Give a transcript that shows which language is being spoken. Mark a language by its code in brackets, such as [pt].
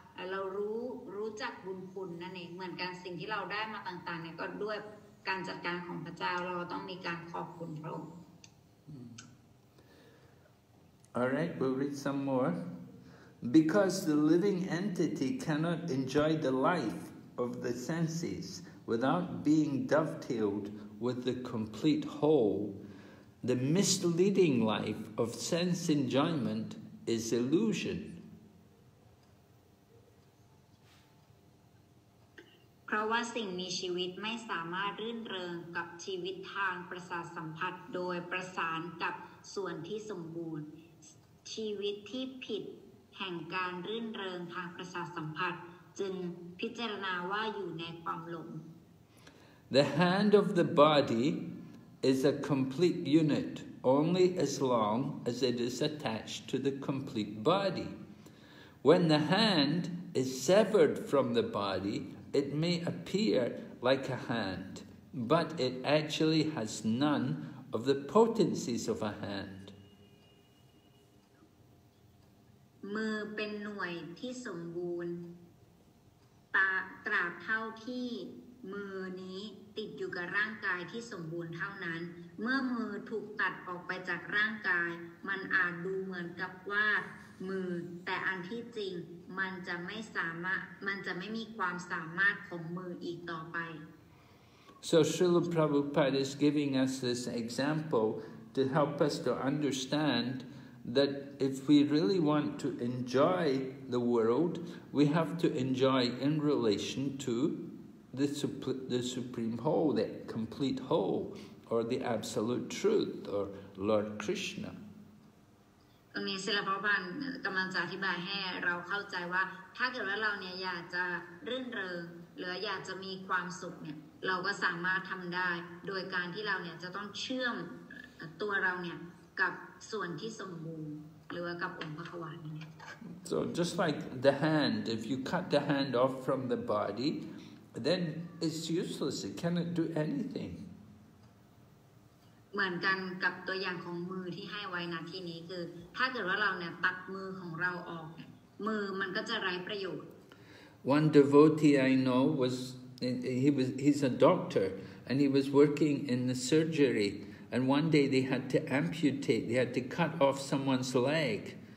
[th] เราก็รู้จักบุญคุณนั่นเองเหมือนกันสิ่งที่เราได้มาต่างๆเนี่ยก็ด้วยการจัดการของพระเจ้าเราต้องมีการขอบคุณพระองค์ [en] All right, we'll read some more. Because the living entity cannot enjoy the life of the senses without being dovetailed with the complete whole, the misleading life of sense enjoyment is illusion. [th] เพราะว่าสิ่งมีชีวิตไม่สามารถรื่นเริงกับชีวิตทางประสาทสัมผัสโดยประสานกับส่วนที่สมบูรณ์ชีวิตที่ผิดแห่งการรื่นเริงทางประสาทสัมผัสจึงพิจารณาว่าอยู่ในความหลง [en] The hand of the body is a complete unit only as long as it is attached to the complete body. When the hand is severed from the bodyIt may appear like a hand, but it actually has none of the potencies of a hand. [th] มือเป็นหน่วยที่สมบูรณ์ตาตราบเท่าที่มือนี้ติดอยู่กับร่างกายที่สมบูรณ์เท่านั้นเมื่อมือถูกตัดออกไปจากร่างกายมันอาจดูเหมือนกับว่ามือแต่อันที่จริงมันจะไม่มีความสามารถของมืออีกต่อไป [en] So Srila Prabhupada is giving us this example to help us to understand that if we really want to enjoy the world, we have to enjoy in relation to the supreme whole, the complete whole, or the absolute truth, or Lord Krishna. [th] ตรงนี้ศิลปบาลกำลังจะอธิบายให้เราเข้าใจว่าถ้าเกิดว่าเราเนี่ยอยากจะรื่นเริงหรืออยากจะมีความสุขเนี่ยเราก็สามารถทำได้โดยการที่เราเนี่ยจะต้องเชื่อมตัวเราเนี่ยกับส่วนที่สมบูรณ์หรือกับองค์พระขวัญ [en] So just like the hand, if you cut the hand off from the body, then it's useless. It cannot do anything. [th] เหมือนกันกับตัวอย่างของมือที่ให้ไว้นะที่นี้คือถ้าเกิดว่าเราเนี่ยตัดมือของเราออกมือมันก็จะไร้ประโยชน์ [en] One devotee I know was he's a doctor and he was working in the surgery and one day they had to amputate they had to cut off someone's leg.